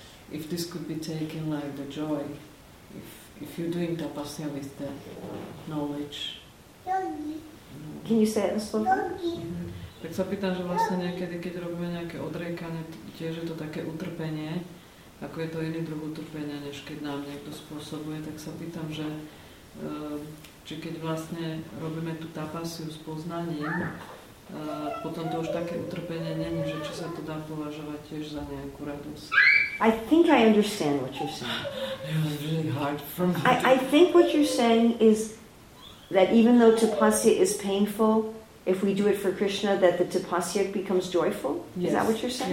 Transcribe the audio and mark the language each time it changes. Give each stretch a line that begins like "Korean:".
English: If this could be taken like the joy, if you're doing tapasya with the knowledge. Can you say it in slow words?
Slovak: Tak sa pýtam, že vlastne niekedy, keď robíme nejaké odriekanie, tiež je to také utrpenie, ako je to iný druh utrpenia, než keď nám niekto spôsobuje, tak sa pýtam, že či keď vlastne robíme tú tapasiu s poznaním, potom to už také utrpenie není, že či sa to dá považovať tiež za nejakú radosť.
English: I think I understand what you're saying. It was really hard for me. I think what you're saying is that even though tapasya is painful, if we do it for Krishna, that the tapasya becomes joyful? Yes. Is that what you're saying?